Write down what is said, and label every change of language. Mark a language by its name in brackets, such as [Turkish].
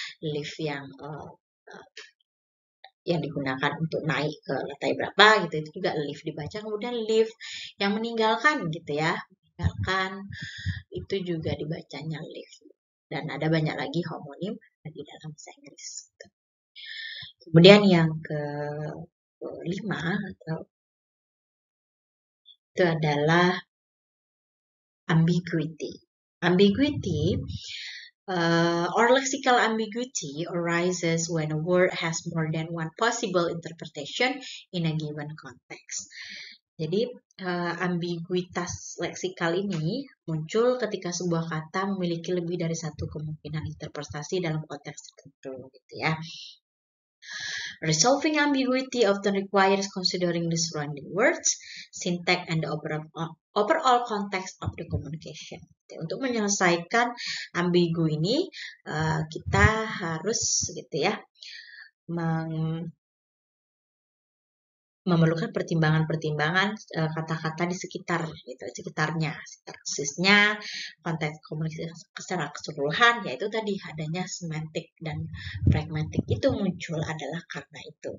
[Indonesian] Live yang digunakan untuk naik ke lantai berapa gitu itu juga lift dibaca kemudian lift yang meninggalkan gitu ya meninggalkan itu juga dibacanya lift dan ada banyak lagi homonim di dalam bahasa Inggris gitu. Kemudian yang kelima atau itu adalah ambiguity. [English] Ambiguity or lexical ambiguity arises when a word has more than one possible interpretation in a given context. [Indonesian] Jadi, ambiguitas leksikal ini muncul ketika sebuah kata memiliki lebih dari satu kemungkinan interpretasi dalam konteks tertentu, gitu ya. [English] Resolving ambiguity often requires considering the surrounding words, syntax, and the overall context of the communication. [Indonesian] Untuk menyelesaikan ambigu ini, kita harus gitu ya, memerlukan pertimbangan-pertimbangan kata-kata di sekitar gitu, sekitarnya, sisnya, konteks komunikasi secara keseluruhan, yaitu tadi adanya semantik dan pragmatik itu muncul adalah karena itu.